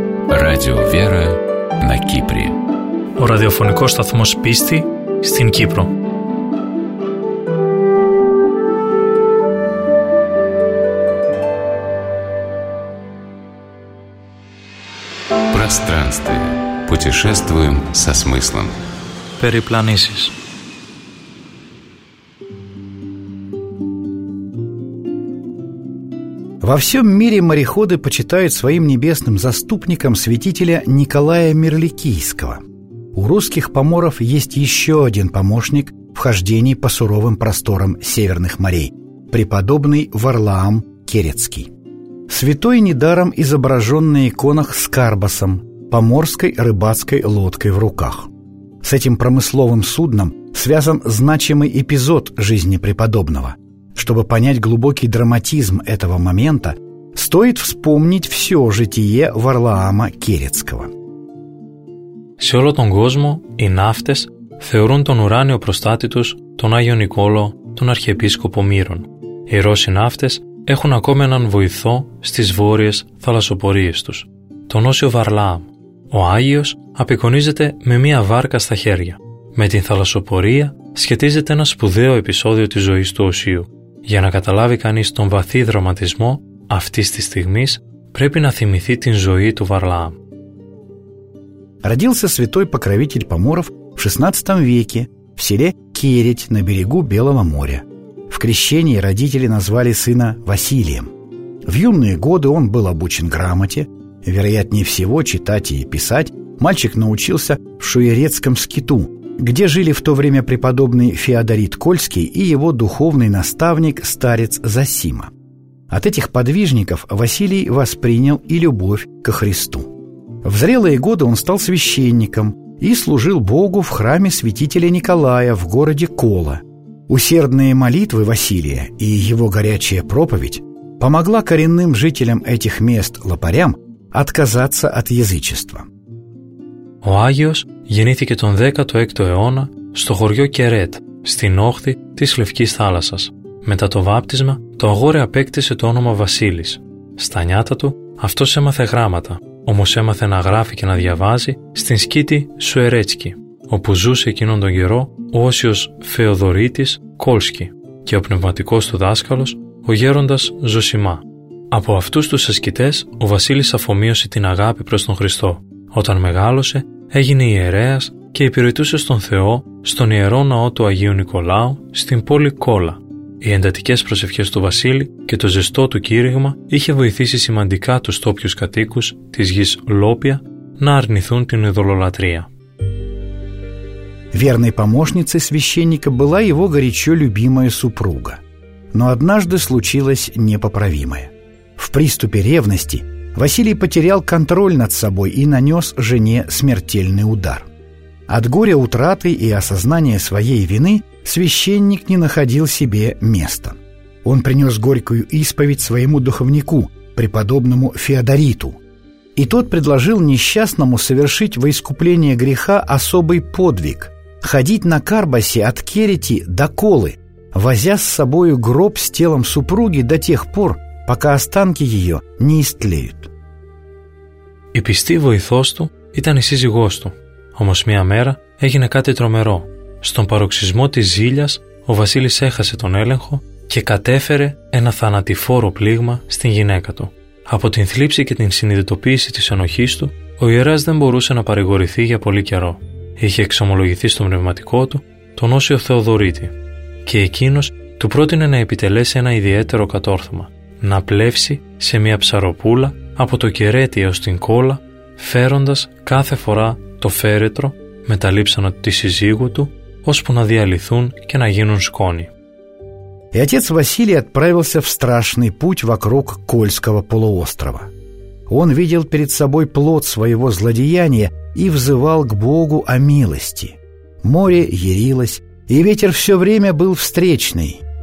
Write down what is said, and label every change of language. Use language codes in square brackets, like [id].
[ru] Radio Vera на Кипре. [el] Ο ραδιοφωνικός σταθμός πίστη στην Κύπρο. [ru] Пространство. Путешествуем со смыслом. Перепланисис. Во всем мире мореходы почитают своим небесным заступником святителя Николая Мирликийского. У русских поморов есть еще один помощник в хождении по суровым просторам северных морей – преподобный Варлаам Керецкий. Святой недаром изображен на иконах с карбосом – поморской рыбацкой лодкой в руках. С этим промысловым судном связан значимый эпизод жизни преподобного. Чтобы понять глубокий драматизм этого момента, стоит вспомнить все житие Варлаама Керецкого. [el] Σε όλο τον κόσμο οι ναύτες θεωρούν τον ουράνιο προστάτη τους, τον Άγιο Νικόλο, τον Αρχιεπίσκοπο Μύρων. Οι Ρώσοι ναύτες έχουν ακόμα έναν βοηθό στις βόρειες θαλασσοπορίες τους, τον Όσιο Βαρλάμ. Ο Άγιος απεικονίζεται με μία βάρκα στα χέρια. Με την θαλασσοπορία σχετίζεται ένα σπουδαίο επεισόδιο της ζωής του Οσίου. Για να καταλάβει κανείς τον βαθύ δραματισμό αυτής της στιγμής, πρέπει να θυμηθεί την ζωή του Βαρλάμ. [ru] Родился святой покровитель поморов в 16 веке в селе Кереть на берегу Белого моря. В крещении родители назвали сына Василием. В юные годы он был обучен грамоте. Вероятнее всего, читать и писать мальчик научился в Шуерецком скиту, где жили в то время преподобный Феодорит Кольский и его духовный наставник старец Зосима. От этих подвижников Василий воспринял и любовь ко Христу. В зрелые годы он стал священником и служил Богу в храме святителя Николая в городе Кола. Усердные молитвы Василия и его горячая проповедь помогла коренным жителям этих мест, лопарям, отказаться от язычества. [el] Ο Άγιος γεννήθηκε τον 16ο αιώνα στο χωριό Κερέτ, στην όχθη της Λευκής Θάλασσας. Μετά το βάπτισμα, το αγόρι απέκτησε το όνομα Βασίλης. Στα νιάτα του, αυτός έμαθε γράμματα, όμως έμαθε να γράφει και να διαβάζει στην σκήτη Σουερέτσκι, όπου ζούσε εκείνον τον καιρό ο Όσιος Φεοδωρίτης Κόλσκι και ο πνευματικός του δάσκαλος, ο γέροντας Ζωσιμά. Από αυτούς τους ασκητές, ο Βασίλης αφομοίωσε την αγάπη προς τον Χριστό. Όταν μεγάλωσε, έγινε ιερέας και υπηρετούσε στον Θεό στον ιερό ναό του Αγίου Νικολάου στην πόλη Κόλα. Οι εντατικές προσευχές του Βασίλη και το ζεστό του κήρυγμα είχε βοηθήσει σημαντικά τους τόπιους κατοίκους της γης Λόπια να αρνηθούν την ειδωλολατρία. [ru] Верной помощницей священника была его горячо любимая супруга. Но однажды случилось непоправимое. В приступе ревности Василий потерял контроль над собой и нанес жене смертельный удар. От горя утраты и осознания своей вины священник не находил себе места. Он принес горькую исповедь своему духовнику, преподобному Феодориту. И тот предложил несчастному совершить во искупление греха особый подвиг – ходить на карбасе от Керети до Колы, возя с собою гроб с телом супруги до тех пор, пока останки ее не истлеют. [el] Η πιστή βοηθός του ήταν η σύζυγός του. Όμως μία μέρα έγινε κάτι τρομερό. Στον παροξυσμό της ζήλιας, ο Βασίλης έχασε τον έλεγχο και κατέφερε ένα θανατηφόρο πλήγμα στην γυναίκα του. Από την θλίψη και την συνειδητοποίηση της ενοχής του, ο ιερέας δεν μπορούσε να παρηγορηθεί για πολύ καιρό. Είχε εξομολογηθεί στο πνευματικό του τον Όσιο Θεοδωρίτη και εκείνος του πρότεινε να επιτελέσει ένα ιδιαίτερο κατόρθωμα, να πλεύσει σε μια ψαροπούλα από το Κερέτι έως την Κόλα, φέροντας κάθε φορά το φέρετρο με τα λείψανα της συζύγου του, ώσπου να διαλυθούν και να γίνουν σκόνη. [ru] Ο отец Василий отправился в страшный путь вокруг Кольского полуострова. Он видел перед собой плод своего злодеяния и взывал к Богу о милости. Море ярилось, и ветер все время был встречный.